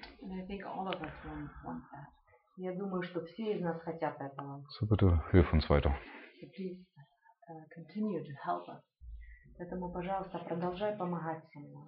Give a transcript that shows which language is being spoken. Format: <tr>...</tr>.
<en>And I think all of us want that.</en> <ru>Я думаю, что все из нас хотят этого.</ru> <de>So bitte, hilf uns weiter.</de> <en>So please continue to help us.</en> <ru>Поэтому, пожалуйста, продолжай помогать всем.</ru>